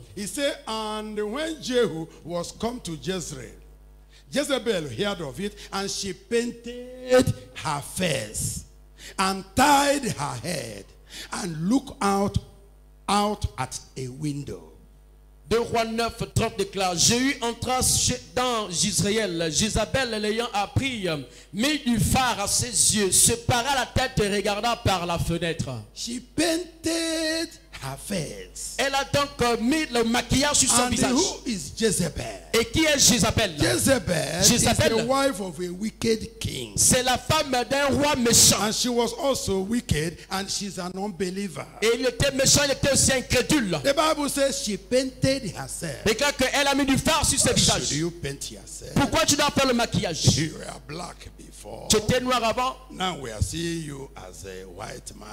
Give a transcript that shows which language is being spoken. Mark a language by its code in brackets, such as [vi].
[en] He said, and when Jehu was come to Jezreel, Jezebel heard of it, and she painted her face, and tied her head, and looked out at a window. [fr] 2 Rois 9:30 déclare: Jéhu entra dans Jisraël. Jézabel l'ayant appris, mit du fard à ses yeux, se para la tête et regarda par la fenêtre. [en] She painted her face. [fr] Elle a donc mis le maquillage sur son [en] and [fr] visage. [en] Who is Jezebel? [fr] Et qui est Jézabel? [en] Jezebel is the wife of a wicked king. [fr] C'est la femme d'un roi méchant. [en] And she was also wicked, and she's an unbeliever. [fr] Et il était méchant, il était aussi incrédule. [en] The Bible says she painted herself. [fr] Déclare qu'elle a mis du fard sur ses visages. [en] Should you paint yourself? [fr] Pourquoi tu dois faire le maquillage? [en] You were black before. [fr] Tu étais noir avant. [en] Now we are seeing you as a white man.